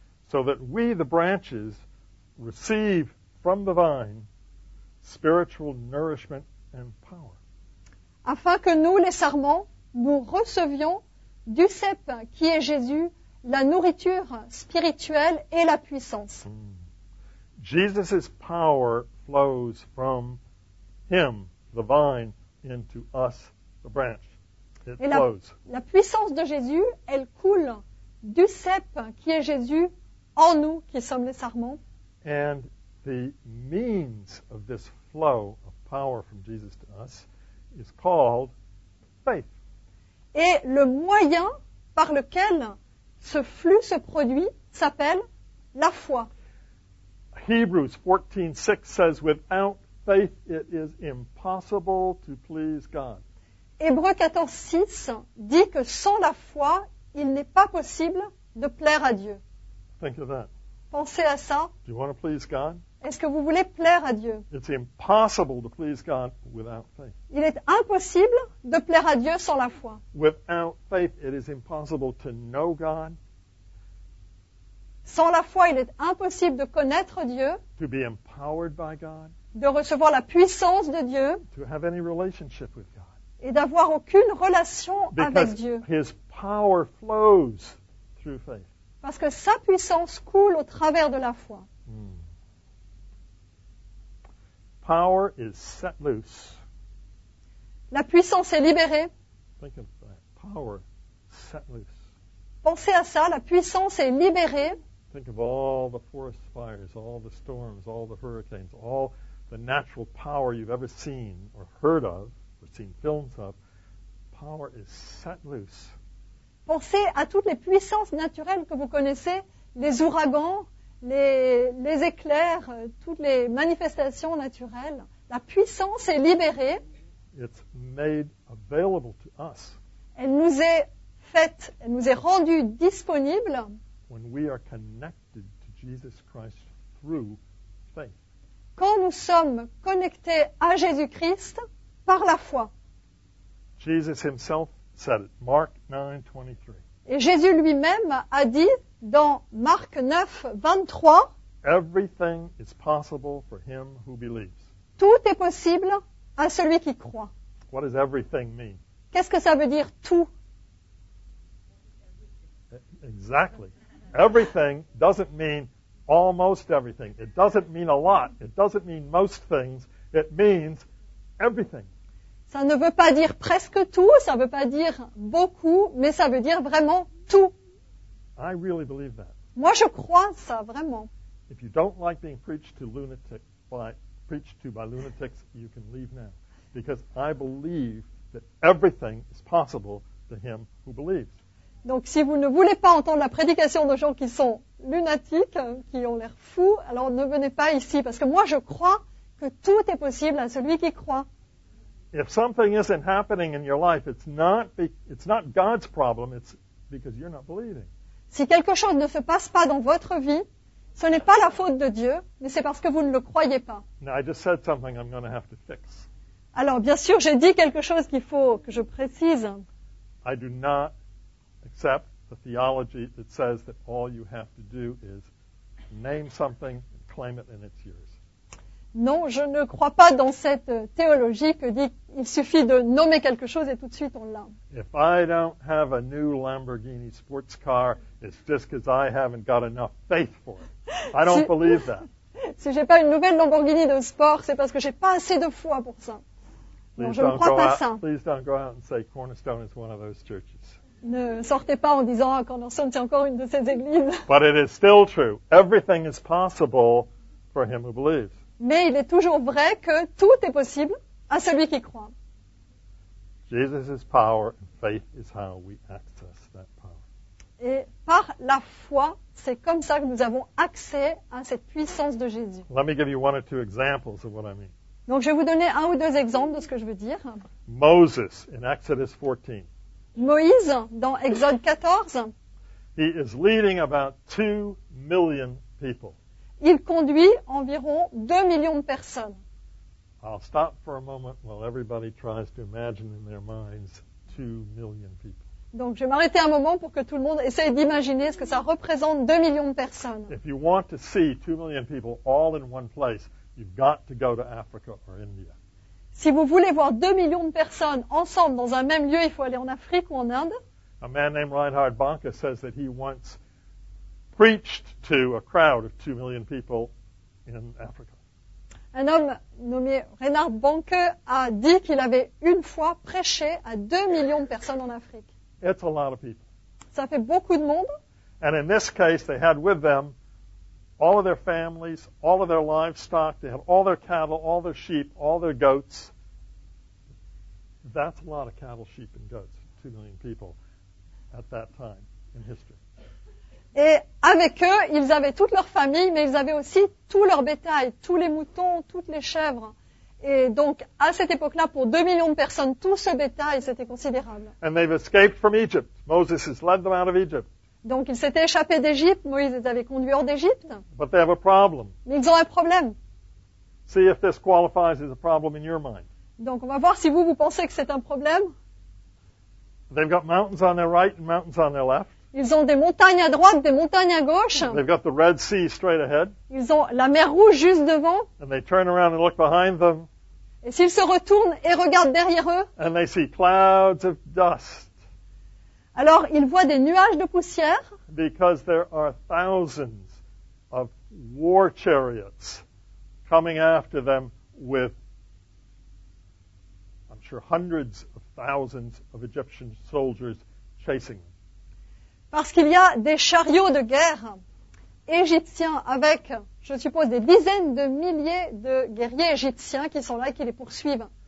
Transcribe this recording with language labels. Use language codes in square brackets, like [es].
[en] So that we, the branches, receive from the vine spiritual nourishment and power. [fr] Afin que nous, les sarments, nous recevions du cep, qui est Jésus, la nourriture spirituelle et la puissance. Mm. [en] Jesus' power flows from him, the vine, into us, the branch. It flows. [fr] La puissance de Jésus, elle coule du cep, qui est Jésus, en nous qui sommes les sarments. [en] And the means of this flow of power from Jesus to us is called faith. [fr] Et le moyen par lequel ce flux se produit s'appelle la foi. [en] Hebrews 14:6 says, without faith it is impossible to please God. [fr] Hébreux 14:6 dit que sans la foi, il n'est pas possible de plaire à Dieu. [en] Think of that. [fr] Pensez à ça. [en] Do you want to please God? [fr] Est-ce que vous voulez plaire à Dieu? [en] It's impossible to please God without faith. [fr] Il est impossible de plaire à Dieu sans la foi. [en] Without faith, it is impossible to know God. [fr] Sans la foi, il est impossible de connaître Dieu. [en] To be empowered by God. [fr] De recevoir la puissance de Dieu. [en] To have any relationship with God. [fr] Et d'avoir aucune relation avec Dieu. [en] Because his power flows through faith. [fr] Parce que sa puissance coule au travers de la foi. Hmm. [en] Power is set loose. [fr] La puissance est libérée. [en] Think of that. Power set loose. [fr] Pensez à ça, la puissance est libérée. [en] Think of all the forest fires, all the storms, all the hurricanes, all the natural power you've ever seen or heard of, or seen films of. Power is set loose. [fr] Pensez à toutes les puissances naturelles que vous connaissez, les ouragans, les éclairs, toutes les manifestations naturelles. La puissance est libérée. [en] It's made available to us. [fr] Elle nous est faite, elle nous est rendue disponible. [en] When we are connected to Jesus Christ through faith. [fr] Quand nous sommes connectés à Jésus-Christ par la foi. [en] Jesus himself said it, Mark 9:23. [fr] Et Jésus lui-même a dit dans Marc 9:23, [en] everything is possible for him who believes. [fr] Tout est possible à celui qui croit. [en] What does everything mean? [fr] Qu'est-ce que ça veut dire tout? [en] Exactly. Everything doesn't mean almost everything. It doesn't mean a lot. It doesn't mean most things. It means everything. [fr] Ça ne veut pas dire presque tout, ça ne veut pas dire beaucoup, mais ça veut dire vraiment tout. [en] I really believe that. [fr] Moi, je crois ça, vraiment. [en] If you don't like being preached to by lunatics, you can leave now. Because I believe that everything is possible to him who believes. [fr] Donc, si vous ne voulez pas entendre la prédication de gens qui sont lunatiques, qui ont l'air fous, alors ne venez pas ici. Parce que moi, je crois que tout est possible à celui qui croit. [en] If something isn't happening in your life, it's not God's problem, it's because you're not believing. [fr] Si quelque chose ne se passe pas dans votre vie, ce n'est pas la faute de Dieu, mais c'est parce que vous ne le croyez pas. [en] Now, I just said something I'm going to have to fix. [fr] Alors, bien sûr, j'ai dit quelque chose qu'il faut que je précise. [en] I do not accept the theology that says that all you have to do is name something, claim it, and it's yours. [fr] Non, je ne crois pas dans cette théologie que dit il suffit de nommer quelque chose et tout de suite on l'a. [en] If I don't have a new Lamborghini sports car, it's just because I haven't got enough faith for it. I don't believe that. [fr] Si j'ai pas une nouvelle Lamborghini de sport, c'est parce que j'ai pas assez de foi pour ça. [en] Please don't go out and say Cornerstone is one of those churches. [fr] Ne sortez pas en disant ah, Cornerstone c'est encore une de ces églises. [en] But it is still true. Everything is possible for him who believes. [fr] Mais il est toujours vrai que tout est possible à celui qui croit. [en] Jesus's power and faith is how we access that power. [fr] Et par la foi, c'est comme ça que nous avons accès à cette puissance de Jésus. [en] Let me give you one or two examples of what I mean. [fr] Donc je vais vous donner un ou deux exemples de ce que je veux dire. [en] Moses in Exodus 14. [fr] Moïse dans Exode 14. [en] He is leading about 2 million people. [fr] Il conduit environ 2 millions de personnes. [en] I'll stop for a moment while everybody tries to imagine in their minds 2 million people. [fr] Donc je vais m'arrêter un moment pour que tout le monde essaye d'imaginer ce que ça représente 2 millions de personnes. [en] If you want to see 2 million people all in one place, you've got to go to Africa or India. [fr] Si vous voulez voir 2 millions de personnes ensemble dans un même lieu, il faut aller en Afrique ou en Inde. [en] A man named Reinhard Bonnke says that he wants preached to a crowd of 2 million people in Africa. [fr] Un homme nommé Reinhard Bonnke a dit qu'il avait une fois prêché à 2 millions de personnes en Afrique. [en] It's a lot of people. [fr] Ça fait beaucoup de monde. [en] And in this case, they had with them all of their families, all of their livestock, they had all their cattle, all their sheep, all their goats. That's a lot of cattle, sheep, and goats, 2 million people at that time in history. [fr] Et avec eux, ils avaient toute leur famille, mais ils avaient aussi tout leur bétail, tous les moutons, toutes les chèvres. Et donc, à cette époque-là, pour 2 millions de personnes, tout ce bétail, c'était considérable. [en] And they've escaped from Egypt. Moses has led them out of Egypt. [fr] Donc, ils s'étaient échappés d'Égypte. Moïse les avait conduits hors d'Égypte. [en] But they have a problem. [fr] Mais ils ont un problème. [en] See if this qualifies as a problem in your mind. [fr] Donc, on va voir si vous pensez que c'est un problème. [en] They've got mountains on their right and mountains on their left. [fr] Ils ont des montagnes à droite, des montagnes à gauche. [en] They've got the Red Sea straight ahead. [fr] Ils ont la mer Rouge juste devant. [en] And they turn around and look behind them. [fr] Et s'ils se retournent et regardent derrière eux, [en] and they see clouds of dust. [fr] Alors ils voient des nuages de poussière. [en] Because there are thousands of war chariots coming after them with, I'm sure, hundreds of thousands of Egyptian soldiers chasing them. [fr] Parce qu'il y a des chariots de guerre égyptiens avec, je suppose, des dizaines de milliers de guerriers égyptiens qui sont là et qui les poursuivent.